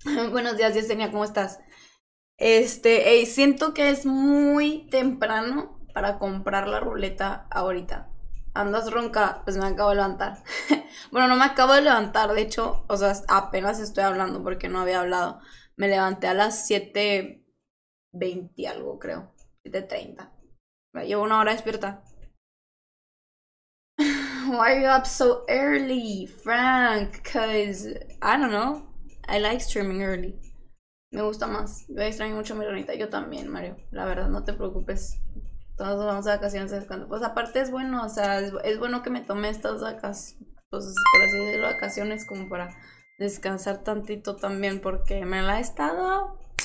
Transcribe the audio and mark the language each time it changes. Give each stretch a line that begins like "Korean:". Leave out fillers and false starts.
Spanish: Buenos días, Yesenia, ¿cómo estás? Hey, siento que es muy temprano para comprar la ruleta ahorita. Andas ronca, pues me acabo de levantar. Bueno, no me acabo de levantar, de hecho, o sea, apenas estoy hablando porque no había hablado. Me levanté a las 7:20 algo, creo. 7:30. Llevo una hora despierta.
English: Why are you up so early, Frank? Cause I don't know. I like streaming early.
Spanish: Me gusta más. Yo extraño mucho a mi ranita. Yo también, Mario. La verdad, no te preocupes. Todos vamos a vacaciones cuando. Pues aparte es bueno, o sea, es bueno que me tome estas vacaciones. Pues, pero así de vacaciones como para descansar tantito también, porque me la he estado.